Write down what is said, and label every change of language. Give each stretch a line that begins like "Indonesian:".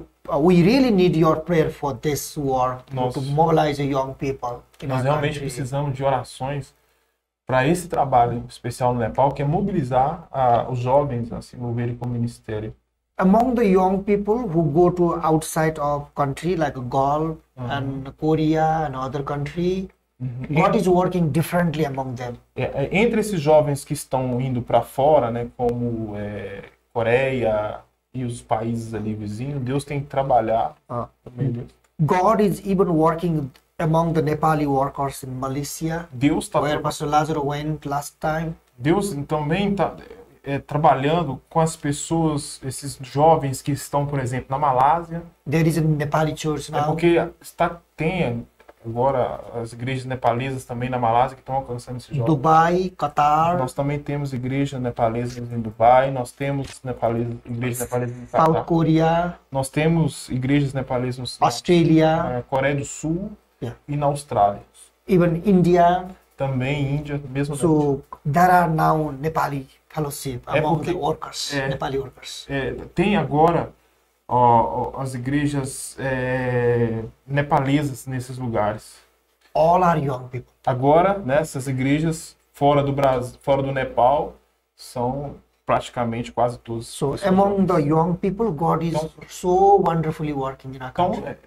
English: We really need your prayer for this war to mobilize young people.
Portuguese: Nós realmente precisamos de orações para esse trabalho especial no Nepal, que é mobilizar os jovens a se moverem com o ministério.
English: Among the young people who go to outside of country like Gulf and Korea and other country, what is working differently among them?
Portuguese: Entre esses jovens que estão indo para fora, né, como Coreia e os países ali vizinhos, Deus tem que trabalhar.
English: God is even working among the Nepali workers in Malaysia.
Portuguese: Deus está
English: where Pastor Lazaro went last time.
Portuguese: Deus também está trabalhando com as pessoas, esses jovens que estão, por exemplo, na Malásia.
English: There is a Nepali church now.
Portuguese: É porque tem agora as igrejas nepalesas também na Malásia que estão alcançando esses jovens.
English: Dubai, Qatar.
Portuguese: Nós também temos igrejas nepalesas em Dubai, nós temos igrejas nepalesas em Qatar. Coreia. Nós temos igrejas nepalesas no Sul. Austrália. Coreia do Sul.
English: Yeah.
Portuguese: E na Austrália.
English: Even India.
Portuguese: Também Índia, mesmo.
English: So, there are now Nepali fellowship among the workers, Nepali workers.
Portuguese: Tem agora as igrejas nepalesas nesses lugares.
English: All are young people.
Portuguese: Agora, nessas igrejas fora do Brasil, fora do Nepal, são praticamente quase todos.
English: So, among the young people, God is so wonderfully working in our country.